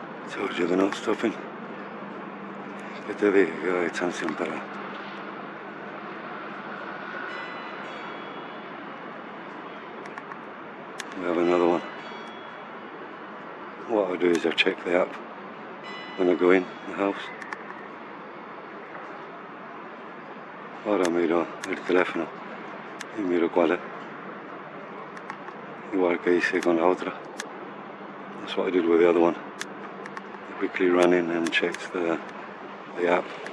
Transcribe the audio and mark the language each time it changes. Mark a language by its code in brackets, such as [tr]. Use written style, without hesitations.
[en] Told you they're not stopping. Get to the attention para. We have another one. What I'll do is I'll check the app when I go in the house. [es] Ahora miro el teléfono y miro cuál es. Igual que hice con la otra. [en] That's what I did with the other one. I quickly ran in and checked the app.